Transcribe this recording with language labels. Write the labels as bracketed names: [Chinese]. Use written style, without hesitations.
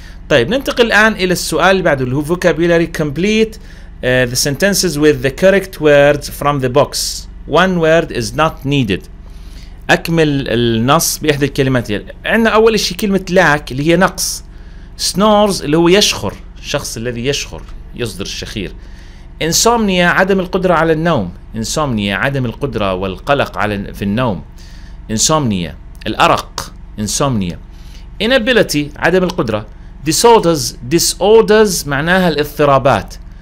[Arabic] طيب, ننتقل الآن إلى السؤال اللي بعده اللي هو vocabulary. [English] Complete the sentences with the correct words from the box. One word is not needed. [Arabic] أكمل النص بإحدى الكلمات. عندنا أول شيء كلمة لاك اللي هي نقص، snores اللي هو يشخر، الشخص الذي يشخر يصدر الشخير، insomnia عدم القدرة على النوم، insomnia عدم القدرة والقلق على في النوم، insomnia الأرق، insomnia، inability عدم القدرة، disorders معناها الاضطرابات،